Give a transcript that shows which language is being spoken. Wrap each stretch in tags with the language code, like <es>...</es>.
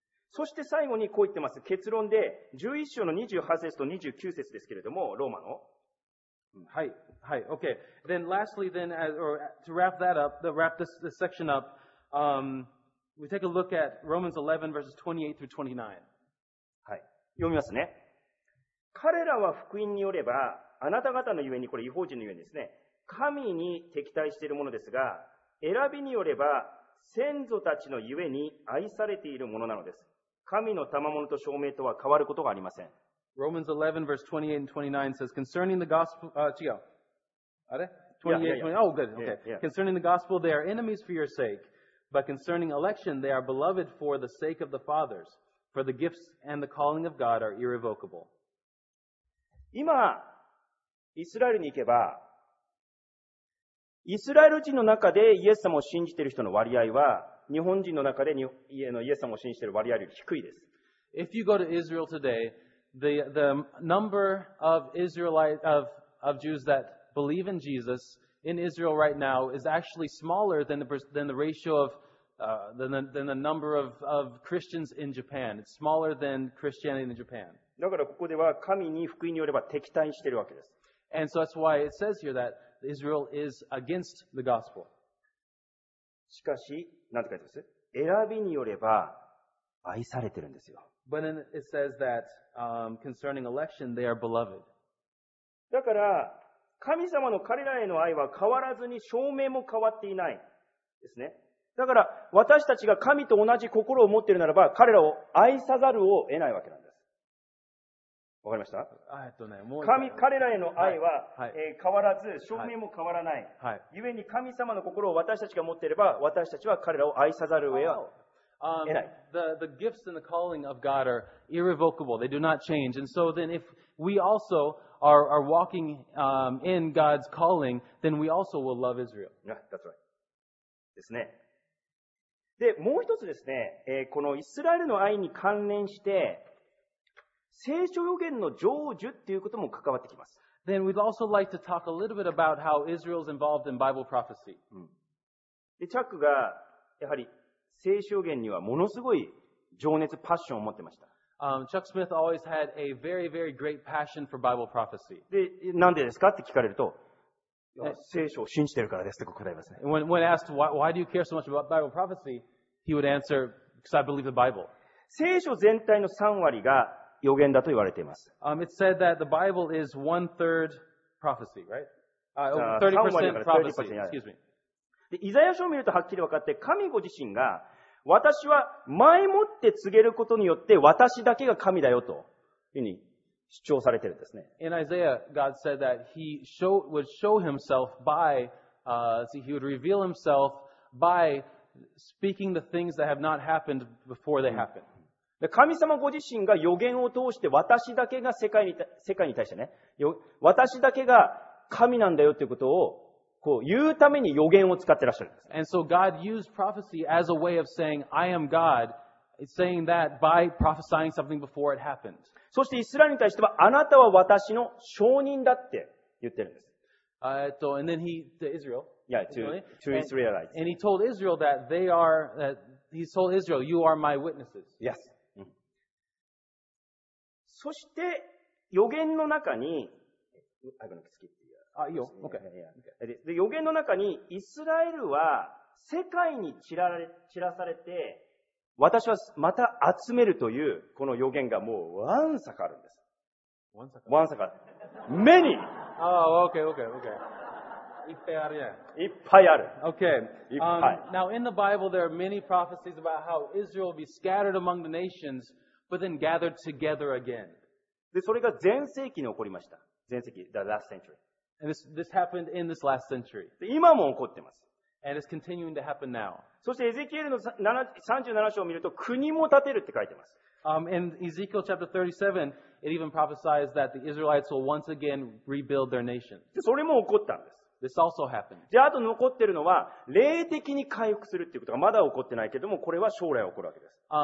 <ja>そして最後にこう言ってます。結論で11章の28節と29節ですけれどもローマの。はいはい。</ja> <en>Okay. Then lastly then or to wrap that up, to wrap this section up, we take a look at Romans 11 verses 28 through 29.</en> <ja>読みますね。彼らは福音によれば、あなた方のゆえに、これ、異邦人のゆえにですね、神に敵対しているものですが、選びによれば、先祖たちのゆえに愛されているものなのです。神の賜物と証明とは変わることがありません。</ja> <en>Romans 11, verse 28 and 29 says, concerning the gospel,</en> <ja>違う。あれ</ja> <en>?28, 29, oh, good, okay. Concerning the gospel, they are enemies for your sake, but concerning election, they are beloved for the sake of the fathers. For the gifts and the calling of God are irrevocable.</en> <ja>今、イスラエルに行けば、イスラエル人の中でイエス様を信じている人の割合は、日本人の中でイエス様を信じている割合より低いです。</ja> <en>If you go to Israel today, the number of Israelites, of Jews that believe in Jesus in Israel right now is actually smaller than the ratio ofthan the number of Christians in Japan. It's smaller than Christianity in Japan.</en> <ja>だからここでは神に福音によれば敵対しているわけです。</ja> <en>And so that's why it says here that Israel is against the gospel.</en> <ja>しかし、なんて書いてます？選びによれば愛されてるんですよ。</ja> <en>But then it says that, concerning election, they are beloved.</en> <ja>だから神様の彼らへの愛は変わらずに証明も変わっていないですね。だから私たちが神と同じ心を持っているならば彼らを愛さざるを得ないわけなんです。わかりました？神、彼らへの愛は、変わらず証明も変わらない。はい。故に神様の心を私たちが持っていれば私たちは彼らを愛さざるを得ない。</ja> <en>The gifts and the calling of God are irrevocable. They do not change. And so then if we also are walking in God's calling, then we also will love Israel. Yeah, that's right.</en> <ja>ですね。で、もう一つですね、このイスラエルの愛に関連して、聖書予言の成就っていうことも関わってきます。</ja> <en>Then we'd also like to talk a little bit about how Israel is involved in Bible prophecy.</en> <ja>で、チャックが、やはり、聖書言にはものすごい情熱、パッションを持ってました。</ja> <en>Chuck Smith always had a very, very great passion for Bible prophecy.</en> <ja>で、なんでですかって聞かれると、聖書を信じてるからですって答えますね。</ja> <en>When asked, why do you care so much about Bible prophecy? He would answer, because I believe the Bible.</en> <ja>聖書全体の3割が予言だと言われています。</ja> <en>It said that the Bible is one-third prophecy, right? 30% prophecy, excuse me.</en> <ja>でイザヤ書を見るとはっきり分かって、神ご自身が私は前もって告げることによって私だけが神だよというふうに主張されているんですね。</ja> <en>In Isaiah, God said that He would show Himself by, He would reveal Himself by speaking the things that have not happened before they happened.</en> <ja>神様ご自身が予言を通して私だけが世界に対してね、私だけが神なんだよということをこう言うために予言を使ってらっしゃるんです。</ja> <en>And so God used prophecy as a way of saying, I am God, saying that by prophesying something before it happened.</en> <ja>そしてイスラエルに対しては、あなたは私の証人だって言ってるんです。</ja> <en>And then he, to Israel. Yeah, to Israelites. And he told Israel that they are, that he told Israel, you are my witnesses. Yes.</en> <ja>そして、予言の中に、</ja> <en>I'm gonna skip.</en> <ja>あ、いいよ。</ja> <en>Okay.</en> <ja>で、予言の中に、イスラエルは世界に散らされて、私はまた集めるという、この予言がもうワンサカあるんです。ワンサカ？ワンサカ。</ja> <en>Many! Oh, okay.</en> <ja>いっぱいあるやん。いっぱいある。</ja> <en>Okay.</en> <ja>いっぱい。</ja> <en>Now, in the Bible, there are many prophecies about how Israel will be scattered among the nations, but then gathered together again.</en> <ja>で、それが前世紀に起こりました。前世紀、</ja> <en>the last century. And this happened in this last century.</en> <ja>今も起こってます。</ja> <en>And it's continuing to happen now.</en> <ja>そしてエゼキエルの37章を見ると、国も建てるって書いてます。</ja> <en>In Ezekiel chapter 37, it even prophesies that the Israelites will once again rebuild their nation.</en> <ja>それも起こったんです。</ja> <en>This also happened.</en> <ja>で、あと残ってるのは、霊的に回復するっていうことがまだ起こってないけども、これは将来起こるわけです。</ja>